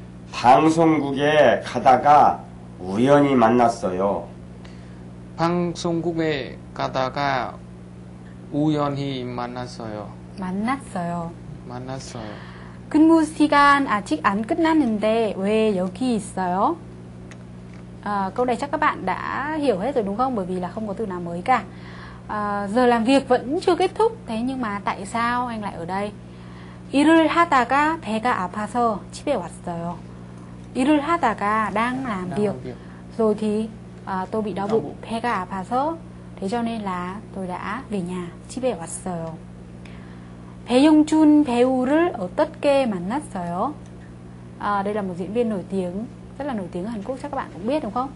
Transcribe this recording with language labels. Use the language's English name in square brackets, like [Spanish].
[Korean] 방송국에 가다가 우연히 만났어요. 방송국에 가다가 우연히 만났어요. 만났어요. 만났어요. 근무 시간 아직 안 끝났는데 왜 여기 있어요? [Vietnamese] Câu này chắc các bạn đã hiểu hết rồi đúng không? Bởi vì là không có từ nào mới cả. Giờ làm việc vẫn chưa kết thúc, thế nhưng mà tại sao anh lại ở đây? [Korean] 일을 하다가 배가 아파서 집에 왔어요. 일을 하다가 [Vietnamese] đang làm việc. Rồi thì tôi bị đau bụng, [Korean] 배가 아파서. [Vietnamese] Thế cho nên là tôi đã về nhà, [Korean] 집에 왔어요. 배용준 배우를 어떻게 만났어요? [Vietnamese] Đây là một diễn viên nổi tiếng, rất là nổi tiếng ở Hàn Quốc, chắc các bạn cũng biết đúng không?